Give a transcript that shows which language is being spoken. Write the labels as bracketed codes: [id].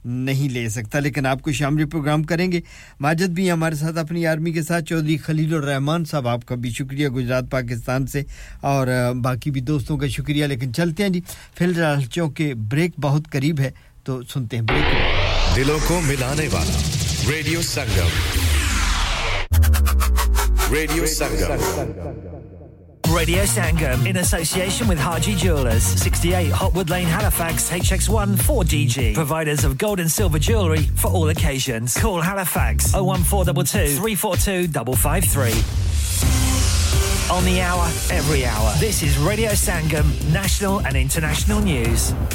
[ur] نہیں لے سکتا لیکن آپ کو شامری پروگرام کریں گے ماجد بھی ہمارے ساتھ اپنی آرمی کے ساتھ چودھری خلیل الرحمان صاحب آپ کا بھی شکریہ گجرات پاکستان سے اور باقی بھی دوستوں کا شکریہ لیکن چلتے ہیں جی فی الحال چونکہ بریک بہت قریب ہے تو سنتے ہیں بریک دلوں کو ملانے والا radio Sangam radio Sangam [en] Radio Sangam, in association with Haji Jewellers. 68 Hotwood Lane, Halifax, HX1 4DG. Providers of gold and silver jewellery for all occasions. Call Halifax 01422 342 553. On the hour, every hour. This is Radio Sangam, national and international news.